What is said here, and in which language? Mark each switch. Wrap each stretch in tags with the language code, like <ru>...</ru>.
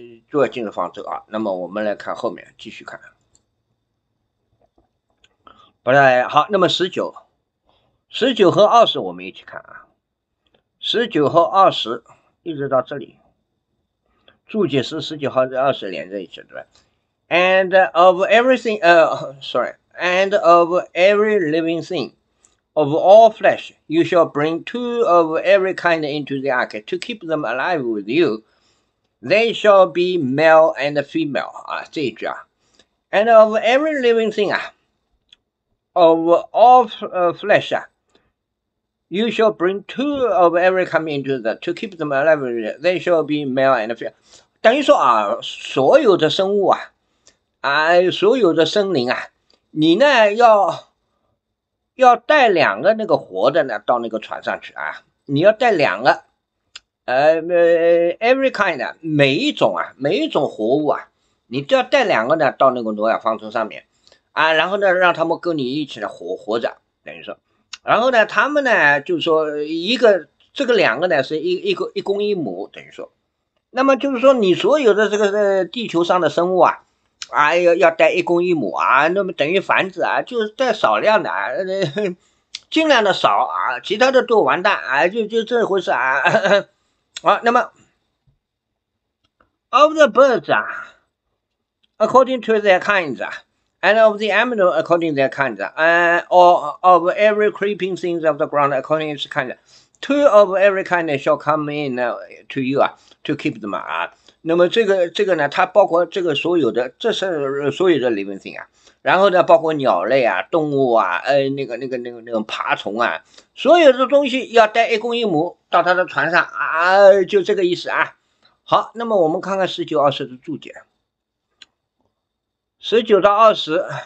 <zh>就要进入方舟啊。那么我们来看后面，继续看。本来好，那么十九、十九和二十，我们一起看啊。十九和二十一直到这里，注解是十九和二十连在一起，对吧？</zh> <en>And of everything, and of every living thing, of all flesh, you shall bring two of every kind into the ark to keep them alive with you. They shall be male and female 啊，</en> <zh>这一句啊</zh> <en>，and of every living thing 啊 ，of all flesh 啊 ，you shall bring two of every come into the to keep them alive. They shall be male and female.</en> <zh>等于说啊，所有的生物啊，所有的生灵啊，你呢要带两个那个活的呢到那个船上去啊，你要带两个，</zh> <en>Every kind</en> <zh>的每一种啊，每一种活物啊，你都要带两个呢，到那个挪亚方舟上面啊，然后呢，让他们跟你一起来活着，等于说，然后呢，他们呢，就是说一个这个两个呢，是一公一母，等于说，那么就是说你所有的这个地球上的生物啊。哎呀，要带一公一母啊，那么等于繁殖啊，就是带少量的啊，尽量的少啊，其他的都完蛋啊，就这回事啊。</zh> <en>好，那么 of the birds 啊，according to their kinds 啊，and of the animal according to their kinds 啊，or of every creeping things of the ground according to its kind, two of every kind shall come in to you 啊，to keep them 啊。</en> <zh>那么这个呢，它包括这个所有的，这是所有的</zh> <en>living thing</en> <zh>啊，然后呢，包括鸟类啊、动物啊、那个爬虫啊，所有的东西要带一公一母到他的船上啊，就这个意思啊。好，那么我们看看19、20的注解，19到20。</zh>